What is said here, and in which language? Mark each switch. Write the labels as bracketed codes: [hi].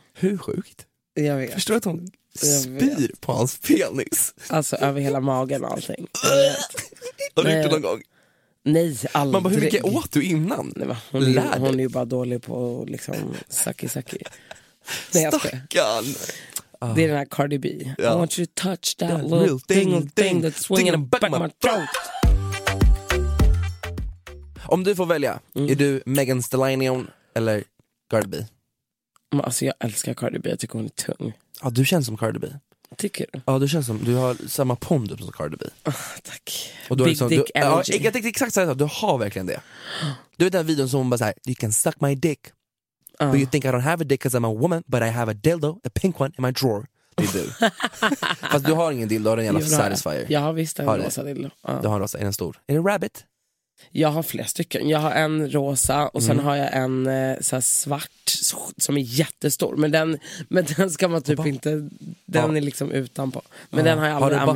[sv] Hur sjukt? Jag vet. Förstår du att hon spyr på hans penis? Alltså över hela magen och allting. Har du gjort det någon gång? Nej, aldrig. Man bara, hur mycket åt du innan? Nej, hon är ju bara dålig på liksom sucky. Stackarn! Det är den här Cardi B. [en] Yeah. I want you to touch that little thing that's swinging back my throat. [sv] Om du får välja, är du Megan Stallion eller Cardi B? Alltså jag älskar Cardi B, jag tycker hon är tung. Ja, du känns som Cardi B. Tycker du? Ja, du känns som, du har samma pondus som Cardi B. Tack. Och du Big liksom, dick du, [en] energy. [sv] Ja, jag tänkte exakt såhär, du har verkligen det. Du vet den här videon som hon bara såhär, [en] you can suck my dick. But you think I don't have a dick because I'm a woman, but I have a dildo, a pink one in my drawer. [sv] Det är du. Fast du har ingen dildo, du har en jävla Satisfyer. Jag har visst en har rosa dildo. Du har en rosa, är den stor? Är det Rabbit? Jag har flera stycken. Jag har en rosa och sen har jag en så här svart som är jättestor. Men den ska man typ inte... Den är liksom utanpå. Men den har jag aldrig använt.